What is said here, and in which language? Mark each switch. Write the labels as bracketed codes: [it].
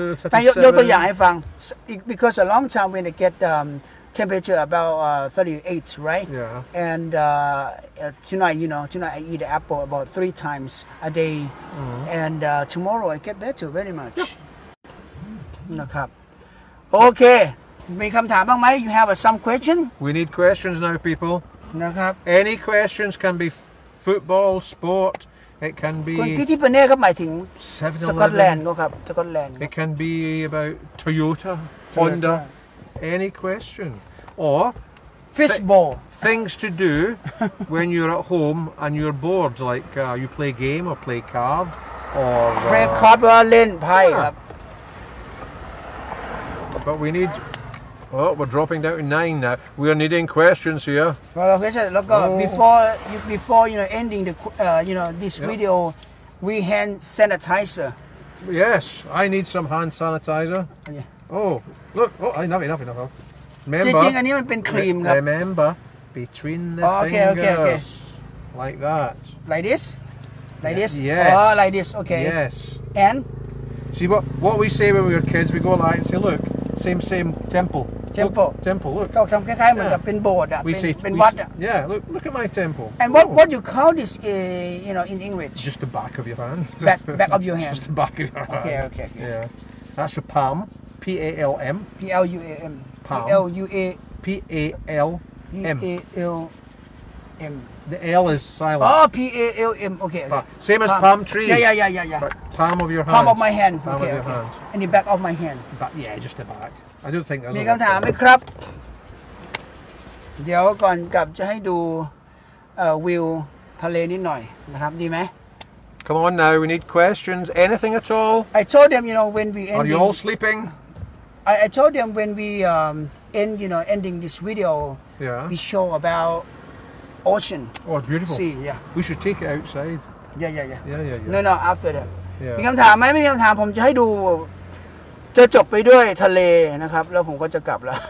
[en] 37. Because a long time when I get temperature about 38, right? Yeah. And tonight I eat apple about 3 times a day. Mm-hmm. And tomorrow I get better very much. Yep. Okay. Okay. [th] มีคำถามบ้างไหม [en] You have some question? We need questions now, people. [th] นะครับ [en] Any questions can be football, sport. It can be... [th] คุณพี่ที่เป็นเนี่ยก็หมายถึง [en] 7-Eleven. [th] สกอตแลนด์ [en] It can be about Toyota, Honda. Any question. Or... Fishball. Things to do when you're at home and you're bored. Like you play game or play card. Or... Play card or [th] เล่นไ [en] พ่ But we need... Oh, we're dropping down to 9 now. We are needing questions here. Well, okay, look, before you know, ending the you know this yep. video, we hand sanitizer. Yes, I need some hand sanitizer. Yeah. Oh, look. Oh, I have enough. Remember. [th] จริงอันนี้มันเป็นครีมครับ [en] Remember, between the fingers. Okay. Like that. Like this. Yes. Oh, like this. Okay. Yes. And. See what we say when we were kids. We go like and say, look. Same temple. Temple. Look. [th] ก็คล้ายๆเหมือนกับเป็นโบสถ์อ่ะ เป็นวัดอ่ะ [en] Yeah, look at my temple. And what you call this you know in English? Just the back of your hand. Back of your hand. Just the back of your hand. Okay. Yeah. That's your palm. P-A-L-M. P-L-U-A-M. Palm. P-L-U-A. P-A-L-M. P-A-L-M. The L is silent. Oh, P-A-L-M. Okay. Same as palm tree. Yeah. Palm of your hand. Palm of my hand. Palm okay, of your okay. hand. And the back of my hand. But yeah, just the back. I don't think there's [th] มีคำถามไหมครับเดี๋ยวก่อนกลับจะให้ดูวิวทะเลนิดหน่อยนะครับดีไหม [en] Come on now, we need questions. Anything at all? I told them, you know, when we end. Are you all sleeping? I told them when we end, you know, ending this video. Yeah. We show about ocean. Oh, beautiful. Sea, yeah. We should take it outside. Yeah. No, after that. Yeah. [th] มีคำถามไหมไม่มีคำถามผมจะให้ดูจะจบไปด้วยทะเลนะครับแล้วผมก็จะกลับ